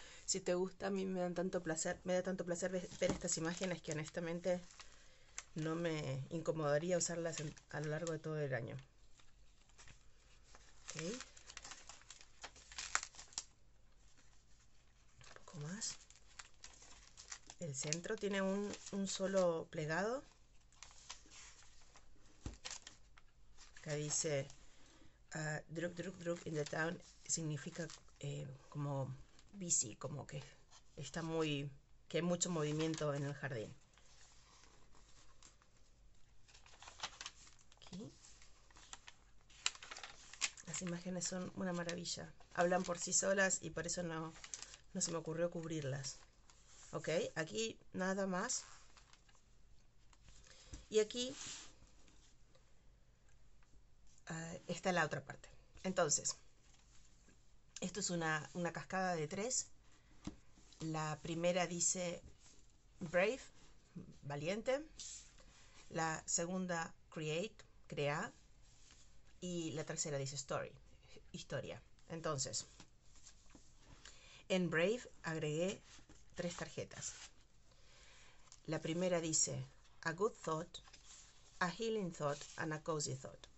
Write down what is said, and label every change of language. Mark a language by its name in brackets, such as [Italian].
[Spanish] Si te gusta, a mí me dan tanto placer, me da tanto placer ver estas imágenes que honestamente no me incomodaría usarlas a lo largo de todo el año. [English] Okay. [Spanish] Más. El centro tiene un solo plegado. Acá dice [English] drug, drug, drug in the town. [Spanish] Significa como busy, como que está muy, que hay mucho movimiento en el jardín. Aquí. Las imágenes son una maravilla. Hablan por sí solas y por eso no se me ocurrió cubrirlas. Ok, aquí nada más. Y aquí está la otra parte. Entonces, esto es una cascada de tres. La primera dice Brave, valiente. La segunda, Create, crea. Y la tercera dice Story, historia. Entonces, en Brave agregué tres tarjetas. La primera dice [English] A good thought, a healing thought, and a cozy thought.